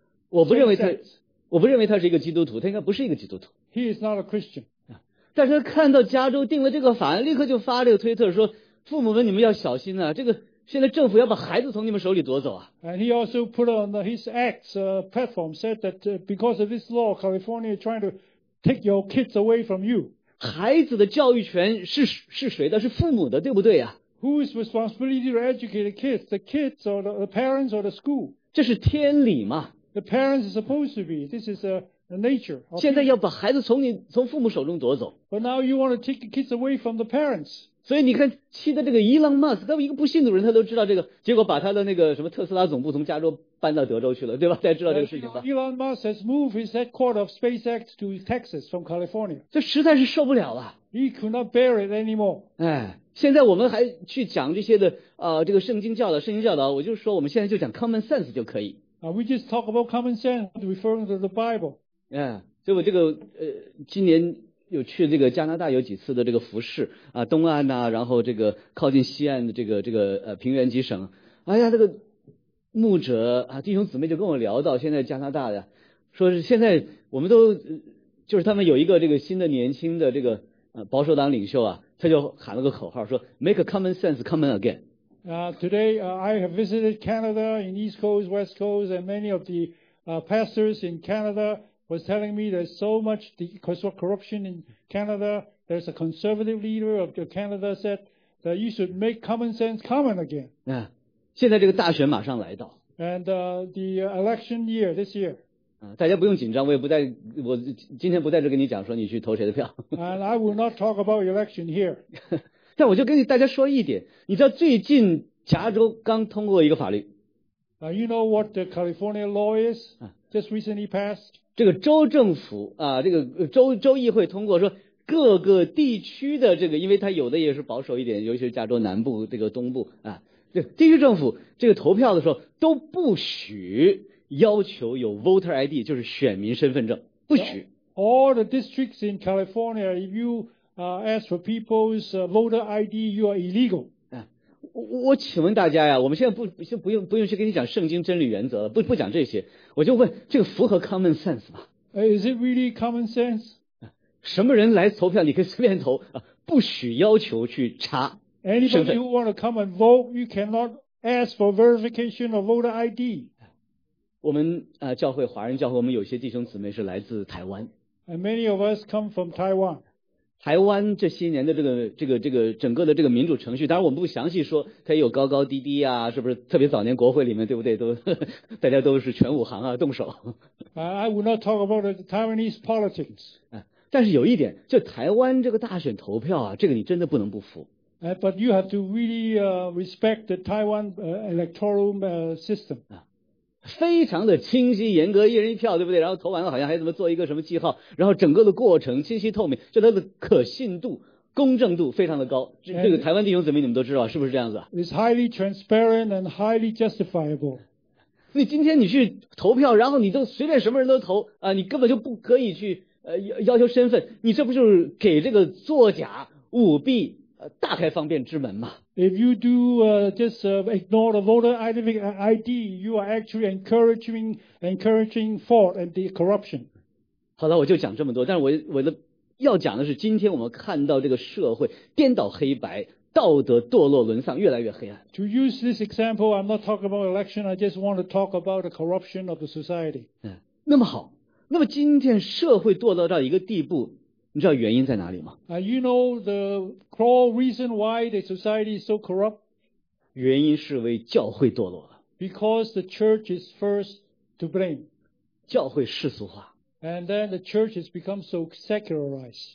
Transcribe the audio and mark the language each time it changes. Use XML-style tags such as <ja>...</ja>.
<zh>我不认为他是一个基督徒，他应该不是一个基督徒。</zh> <en>He is not a Christian.</en> <zh>但是他看到加州定了这个法案，立刻就发这个推特说：“父母们，你们要小心啊！这个现在政府要把孩子从你们手里夺走啊！”</zh> <en>And he also put on his X platform said that because of this law, California is trying to take your kids away from you.</en> <zh>孩子的教育权是谁的？是父母的，对不对啊？</zh> <en>Whose responsibility to educate the kids? The kids or the parents or the school?</en> <zh>这是天理嘛。</zh> <en>The parents are supposed to be. This is a nature.</en> <zh>现在要把孩子从父母手中夺走。</zh> <en>But now you want to take the kids away from the parents.</en> <zh>所以你看，气的这个 Elon Musk， 他一个不信主人，他都知道这个，结果把他的那个什么特斯拉总部从加州搬到德州去了，对吧？大家知道这个事情吧</zh> <en>？Elon Musk has moved his headquarters of SpaceX to Texas from California.</en> <zh>这实在是受不了了。</zh> <en>He could not bear it anymore.</en> <zh>哎。现在我们还去讲这些的这个圣经教导，我就说我们现在就讲 common sense 就可以。</zh> <en>We just talk about common sense referring to the Bible. 嗯、</en> <zh>yeah, 所以我这个今年有去这个加拿大有几次的这个服饰啊，东岸啊，然后这个靠近西岸的这个平原几省。哎呀，这个牧者啊弟兄姊妹就跟我聊到现在加拿大的，说是现在我们都就是他们有一个这个新的年轻的这个保守党领袖啊，他就喊了个口号说</zh> <en>Make a common sense common again. Today, I have visited Canada in East Coast, West Coast, and many of the pastors in Canada was telling me there's so much corruption in Canada. There's a conservative leader of Canada said that you should make common sense common again.</en> <zh>现在这个大选马上来到。</zh> <en>And the election year, this year.</en> <zh>大家不用紧张，我也不在，我今天不在这跟你讲说你去投谁的票。</zh> <en>And I will not talk about election here.</en> <zh>但我就跟大家说一点，你知道最近加州刚通过一个法律。</zh> <en>You know what the California law is? Just recently passed.</en> <zh>这个州政府啊，这个州议会通过说，各个地区的这个，因为它有的也是保守一点，尤其是加州南部这个东部啊，这地区政府这个投票的时候都不许。要求有 voter ID 就是选民身份证不许</zh> <en>All the districts in California if you ask for people's voter ID you are illegal</en> <zh>我请问大家呀，我们现在不用去跟你讲圣经真理原则了，不讲这些，我就问这个符合 common sense 吗？</zh> <en>Is it really common sense?</en> <zh>什么人来投票你可以随便投不许要求去查</zh> <en>Anybody who want to come and vote you cannot ask for verification of voter ID</en> <zh>我们教会华人教会我们有些弟兄姊妹是来自台湾。</zh> <en>And many of us come from Taiwan.</en> <zh>台湾这些年的这个整个的这个民主程序，当然我们不详细说，它也有高高低低啊，是不是？特别早年国会里面，对不对？都大家都是全武行啊，动手。</zh> <en>I will not talk about the Taiwanese politics.</en> <zh>但是有一点，就台湾这个大选投票啊，这个你真的不能不服。</zh> <en>But you have to really respect the Taiwan electoral system.</en> <zh>非常的清晰严格，一人一票，对不对？然后投完了好像还怎么做一个什么记号，然后整个的过程清晰透明，就它的可信度公正度非常的高。这个台湾弟兄姊妹你们都知道是不是这样子？</zh> <en>It's highly transparent and highly justifiable.</en> <zh>你今天你去投票，然后你都随便什么人都投啊，你根本就不可以去要求身份，你这不就是给这个作假舞弊大开方便之门嘛。</zh> <en>If you do just ignore the voter ID, you are actually encouraging fraud and the corruption.</en> <zh>好了，我就讲这么多。但是我的要讲的是，今天我们看到这个社会颠倒黑白，道德堕落沦丧，越来越黑暗。</zh> <en>To use this example, I'm not talking about election. I just want to talk about the corruption of the society.</en> <zh>那么好，那么今天社会堕落到一个地步。你知道原因在哪里吗？</zh> <en>You know the core reason why the society is so corrupt?</en> <zh>原因是为教会堕落了。</zh> <en>Because the church is first to blame.</en> <zh>教会世俗化。</zh> <en>And then the church has become so secularized.</en>